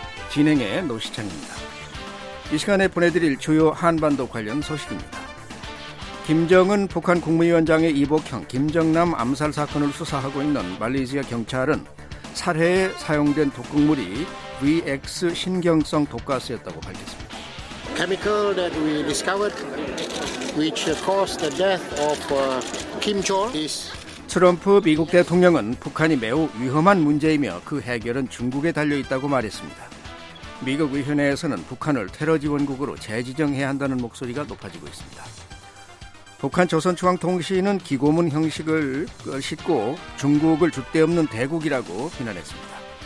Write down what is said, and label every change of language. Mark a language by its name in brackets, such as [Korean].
[Korean] 진행의 노시창입니다. 이 시간에 보내드릴 주요 한반도 관련 소식입니다. 김정은 북한 국무위원장의 이복형 김정남 암살 사건을 수사하고 있는 말레이시아 경찰은 살해에 사용된 독극물이 VX 신경성 독가스였다고 밝혔습니다. [English] Chemical that we discovered which caused the death of Kim Jong is [Korean] 트럼프 미국 대통령은 북한이 매우 위험한 문제이며 그 해결은 중국에 달려 있다고 말했습니다. 미국 의회내에서는 북한을 테러 지원국으로 재지정해야 한다는 목소리가 높아지고 있습니다. 북한 조선중앙통신은 기고문 형식을 싣고 중국을 줏대없는 대국이라고 비난했습니다.